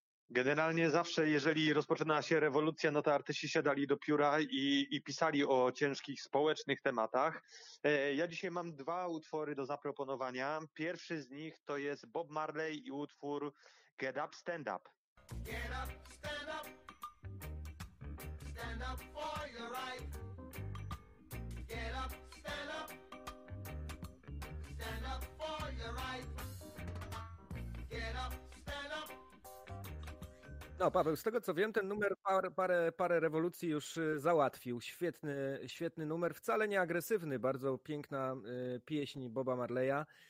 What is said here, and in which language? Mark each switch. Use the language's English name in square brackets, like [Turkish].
[Polish] Generalnie zawsze, jeżeli rozpoczyna się rewolucja, no to artyści siadali do pióra i pisali o ciężkich społecznych tematach. Ja dzisiaj mam 2 utwory do zaproponowania. Pierwszy z nich to jest Bob Marley i utwór Get Up, Stand Up. [English] Get up, stand up, stand up for your right. Get up, stand up, stand up for your right. Get up, stand up. [Polish] No Paweł, z tego co wiem, ten numer parę rewolucji już załatwił. Świetny, świetny numer, wcale nie agresywny, bardzo piękna pieśń Boba Marleya.